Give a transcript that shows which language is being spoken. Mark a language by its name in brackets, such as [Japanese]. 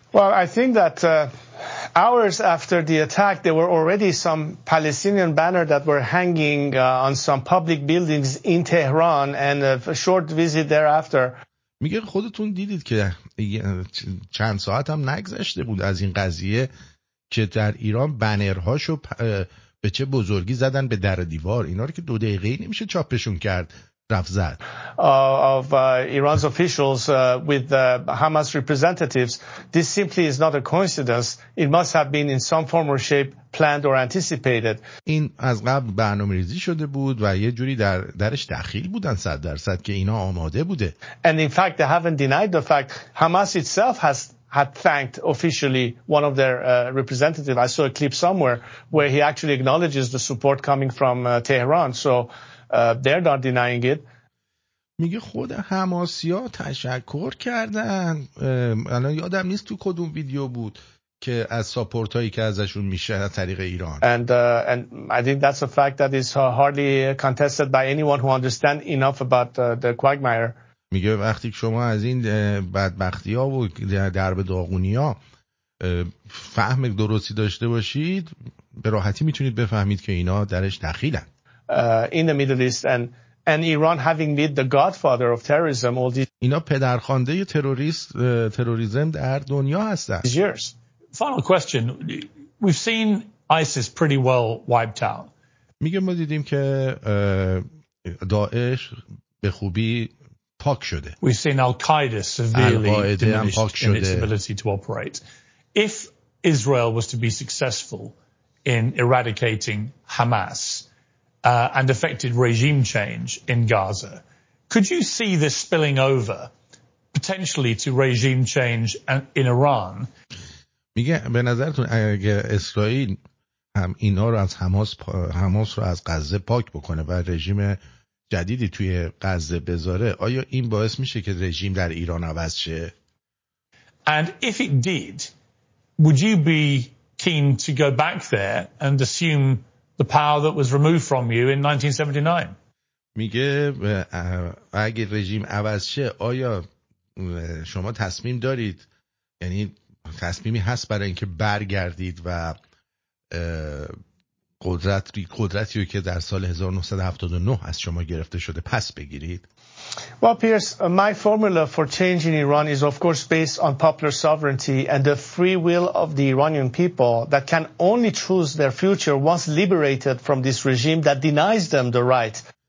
[English] Well, I think that hours after the attack there were already some Palestinian banners that were hanging on some public buildings in Tehran and a short visit thereafter. [Persian] میگه خودتون دیدید که چند ساعت هم نگذشته بود از این قضیه که در ایران بنرهاشو به چه بزرگی زدن به در دیوار، اینا رو که دو دقیقه نمیشه چاپشون کرد. [English] Of Iran's officials with Hamas representatives, this simply is not a coincidence. It must have been in some form or shape planned or anticipated. [Persian] این از قبل برنامه‌ریزی شده بود و یه جوری درش دخیل بودن 100% که اینا آماده بوده. [English] And in fact, they haven't denied the fact. Hamas itself had thanked officially one of their representatives. I saw a clip somewhere where he actually acknowledges the support coming from Tehran. So. They're not denying it. [Persian] میگه خود حماسی‌ها تشکر کردن. الان یادم نیست تو کدوم ویدیو بود که از ساپورت‌هایی که ازشون میشه از طریق ایران. [English] And I think that's a fact that is hardly contested by anyone who understand enough about the quagmire. [Persian] میگه وقتی شما از این بدبختی‌ها و درب داغونی‌ها فهم درستی داشته باشید، به راحتی میتونید بفهمید که اینا درش دخیلن. [English] In the Middle East, and and Iran having been the godfather of terrorism all these [Persian] اینا پدرخوانده تروریسم در دنیا هستند. [English] Years. Final question. We've seen ISIS pretty well wiped out. [Persian] میگه ما دیدیم که داعش به خوبی پاک شده. [English] We've seen Al-Qaeda severely diminished in its ability to operate. If Israel was to be successful in eradicating Hamas and effected regime change in Gaza, could you see this spilling over potentially to regime change in Iran? [Persian] میگه به نظرتون اگه اسرائیل هم اینا رو از حماس رو از غزه پاک بکنه و رژیم جدیدی توی غزه بذاره آیا این باعث میشه که رژیم در ایران عوض شه؟ [English] And if it did, would you be keen to go back there and assume the power that was removed from you in 1979? [Persian] میگه اگه رژیم عوض شه آیا شما تصمیم دارید یعنی تصمیمی هست برای اینکه برگردید و قدرتی رو که در سال 1979 از شما گرفته شده پس بگیرید. [English] Well, Pierce, my formula for change in Iran is of course based on popular sovereignty and the free will of the Iranian people that can only choose their future once liberated from this regime that denies them the right.